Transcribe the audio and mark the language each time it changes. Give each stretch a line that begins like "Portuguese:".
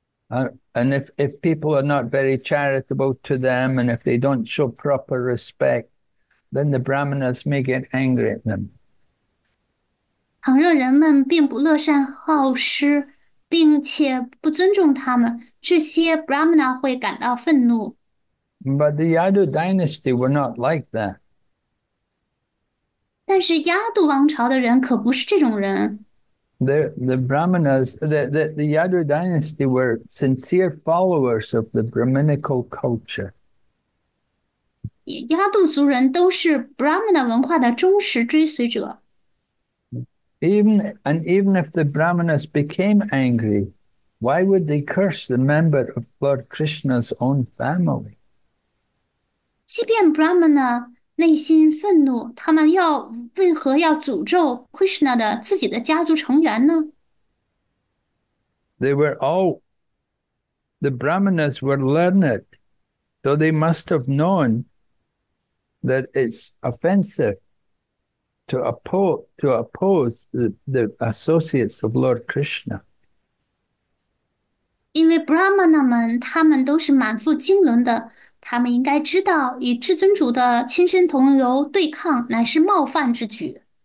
English: And if people are not very charitable to them, and if they don't show proper respect, then the Brahmanas may get angry at them.
Chinese: 倘若人们并不乐善好施，并且不尊重他们，这些 Brahmana 会感到愤怒。
English: But the Yadu dynasty were not like that.
Chinese: 但是亚杜王朝的人可不是这种人。
English: The Brahmanas, the Yadu dynasty were sincere followers of the Brahminical culture.
Chinese: 亚杜族人都是 Brahmana 文化的忠实追随者。
English: Even if the Brahmanas became angry, why would they curse the member of Lord Krishna's own family?
Chinese: 即便 Brahmana 内心愤怒，他们为何要诅咒 Krishna 的自己的家族成员呢？
English: The Brahmanas were learned, so they must have known that it's offensive to oppose the associates of Lord Krishna.
Chinese: 因为 Brahmana 们，他们都是满腹经纶的，他们应该知道与至尊主的亲生同流对抗乃是冒犯之举。